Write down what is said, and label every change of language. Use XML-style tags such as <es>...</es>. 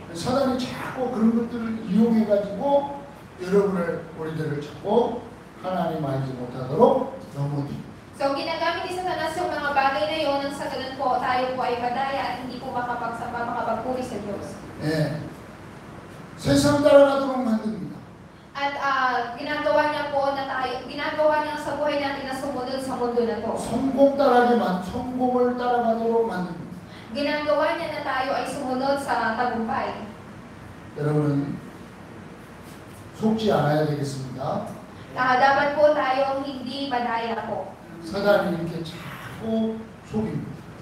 <ko>사단이 자꾸 그런 것들을 이용해 가지고 여러분을 우리들을 자꾸 하나님 알지 못하도록 넘어지.</ko> <tl>So, ginagamit ni Satanas yung mga bagay na yun nang sa ganun po tayo po ay padaya at hindi po makapagsamba, makapagpuri sa Diyos. Eh,</tl> <ko>세상 따라가도록 만듭니다.</ko> <tl>At ginagawa niya po na tayo, ginagawa niya sa buhay natin na sumunod sa mundo na po.</tl> <ko>성공 따라가만, 성공을 따라가도록 만듭니다.</ko> <tl>Ginagawa niya na tayo ay sumunod sa tagumpay.</tl> <ko>여러분, 속지 않아야 되겠습니다.</ko> <tl>�apat po tayong hindi madaya po.</tl> <ko>사단이 이렇게 자꾸 속입니다.</ko>